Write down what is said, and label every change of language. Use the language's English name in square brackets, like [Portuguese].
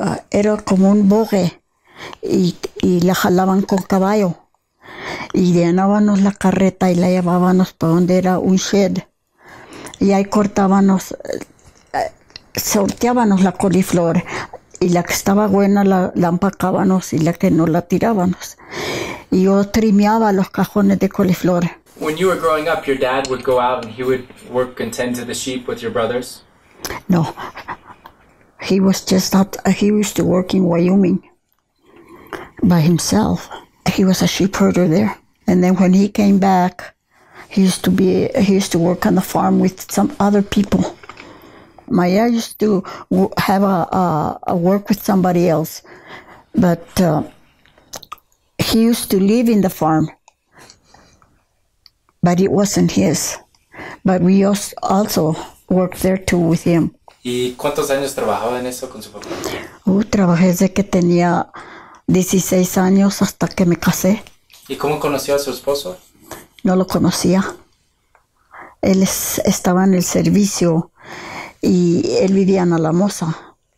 [Spanish] era como un bogue y la jalaban con caballo y llenábamos la carreta y la llevábamos para donde era un shed y ahí cortábamos, sorteábamos la coliflor y la que estaba buena la empacábamos y la que no la tirábamos y yo trimeaba los cajones de coliflor. [English] When you were growing up, your dad would go out and he would work and tend to the sheep with your brothers? No. He was just out, he used to work in Wyoming by himself. He was a sheep herder there. And then when he came back, he used to work on the farm with some other people. My dad used to have a work with somebody else, but he used to live in the farm, but it wasn't his. But we also worked there too with him. [Spanish] ¿Y cuántos años trabajaba en eso con su papá? Trabajé desde que tenía 16 años hasta que me casé. ¿Y cómo conoció a su esposo? No lo conocía. Él estaba en el servicio y él vivía en Alamosa.